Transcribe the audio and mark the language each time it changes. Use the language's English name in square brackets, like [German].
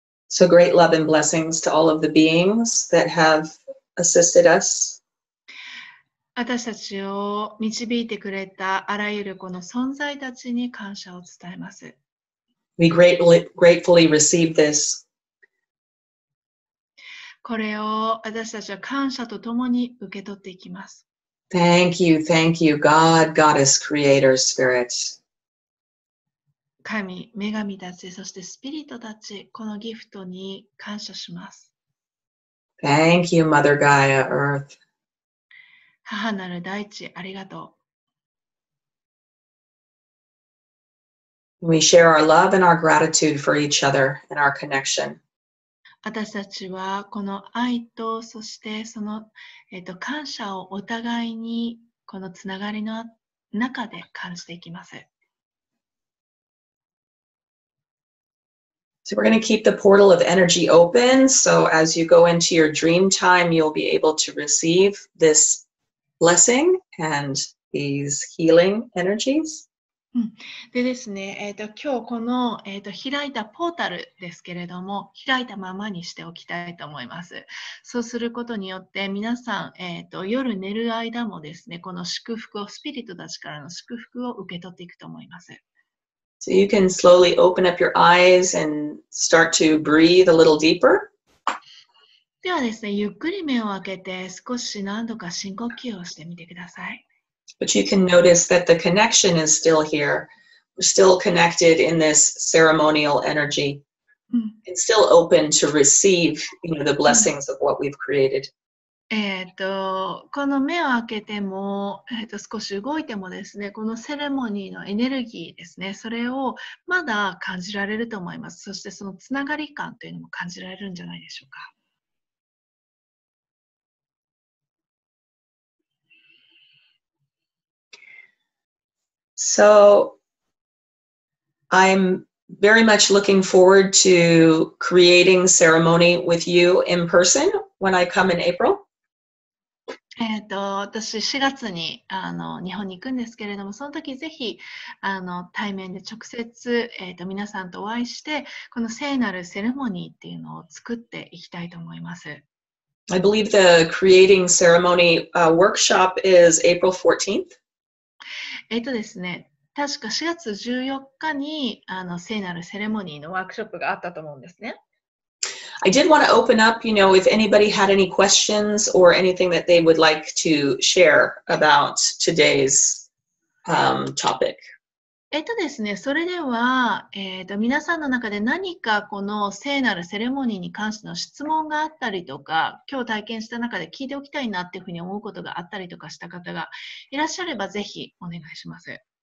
[English] So great love and blessings to all of the beings that have assisted us. [Japanese] 私たちを導いてくれたあらゆるこの存在たちに感謝を伝えます。 [English] We gratefully receive this. [Japanese] これを私たちは感謝とともに受け取っていきます。 [English] Thank you, God, Goddess, Creator, Spirit. [Japanese] 神、女神たち、そしてスピリットたち、このギフトに感謝します。 [English] Thank you, Mother Gaia, Earth. [Japanese] 母なる大地、ありがとう。 [English] We share our love and our gratitude for each other and our connection. [Japanese] 私たちはこの愛と、そしてその、感謝をお互いにこのつながりの中で感じていきます。 [English] So we're going to keep the portal of energy open. So as you go into your dream time, you'll be able to receive this blessing and these healing energies. [Japanese] でですね、今日この、開いたポータルですけれども、開いたままにしておきたいと思います。そうすることによって、皆さん、夜寝る間もですね、この祝福を、スピリットたちからの祝福を受け取っていくと思います。 [English] So you can slowly open up your eyes and start to breathe a little deeper. [Japanese] ではですね、ゆっくり目を開けて少し何度か深呼吸をしてみてください。 [English] But you can notice that the connection is still here. We're still connected in this ceremonial energy. It's still open to receive, you know, the blessings of what we've created. [Japanese] この目を開けても、少し動いてもですね、このセレモニーのエネルギーですね、それをまだ感じられると思います。そしてそのつながり感というのも感じられるんじゃないでしょうか。 [English] So, I'm very much looking forward to creating ceremony with you in person when I come in April. [Japanese] 私4月に日本に行くんですけれども、その時ぜひ対面で直接、皆さんとお会いして、この聖なるセレモニーっていうのを作っていきたいと思います。 [English] I believe the creating ceremony, workshop is April 14th. [Japanese] ですね、確か4月14日に聖なるセレモニーのワークショップがあったと思うんですね。 [English] I did want to open up, you know, if anybody had any questions or anything that they would like to share about today's, topic. [Japanese] ですね、それでは、皆さんの中で何かこの聖なるセレモニーに関しての質問があったりとか、今日体験した中で聞いておきたいなっていうふうに思うことがあったりとかした方がいらっしゃればぜひお願いします。